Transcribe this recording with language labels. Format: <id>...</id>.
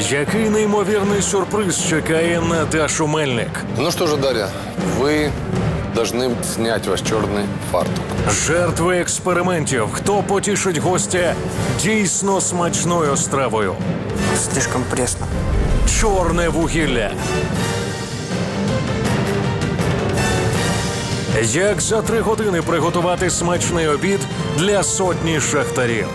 <uk>Який неймовірний сюрприз чекає Наташу Мельник.</uk> <ru>Ну что же, Дарья, вы должны снять ваш черный фартук.</ru> <uk>Жертви експериментів. Хто потішить гостя дійсно смачною стравою?</uk> <ru>Слишком пресно.</ru> <uk>Чорне вугілля. Як за 3 години приготувати смачний обід для сотні шахтарів?</uk>